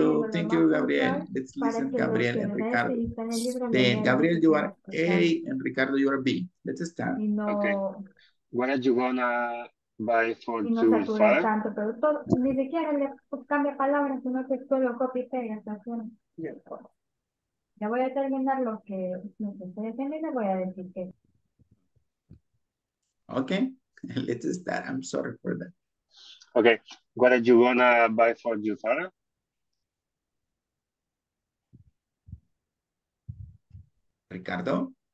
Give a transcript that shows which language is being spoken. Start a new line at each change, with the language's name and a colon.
English: Thank you, Gabriel. Let's listen, Gabriel and Ricardo. Then, Gabriel, you are A, and Ricardo, you are B. Let's start. Okay. What are you going to buy for to five?
Spanish: Ya voy a terminar lo que estoy haciendo y le voy a decir que.
English: Okay, let's start. I'm sorry for that. Okay, what are you gonna buy for your father? Ricardo?